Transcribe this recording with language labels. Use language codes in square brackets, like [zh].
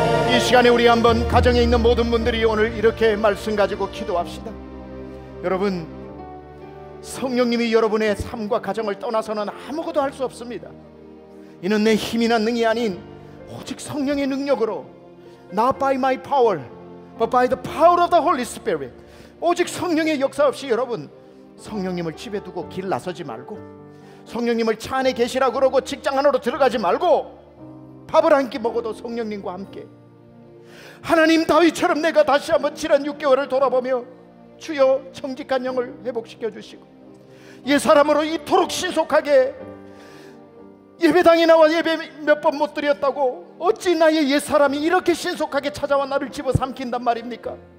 [ko] 이 시간에 우리 한번 가정에 있는 모든 분들이 오늘 이렇게 말씀 가지고 기도합시다. 여러분, 성령님이 여러분의 삶과 가정을 떠나서는 아무것도 할 수 없습니다. 이는 내 힘이나 능이 아닌 오직 성령의 능력으로, [en] Not by my power but by the power of the Holy Spirit. [ko] 오직 성령의 역사 없이 여러분, 성령님을 집에 두고 길 나서지 말고, 성령님을 차 안에 계시라고 그러고 직장 안으로 들어가지 말고, 밥을 한 끼 먹어도 성령님과 함께. 하나님, 다윗처럼 내가 다시 한번 지난 6개월을 돌아보며 주여 정직한 영을 회복시켜 주시고 옛 사람으로 이토록 신속하게 예배당에 나와 예배 몇 번 못 드렸다고 어찌 나의 옛 사람이 이렇게 신속하게 찾아와 나를 집어삼킨단 말입니까?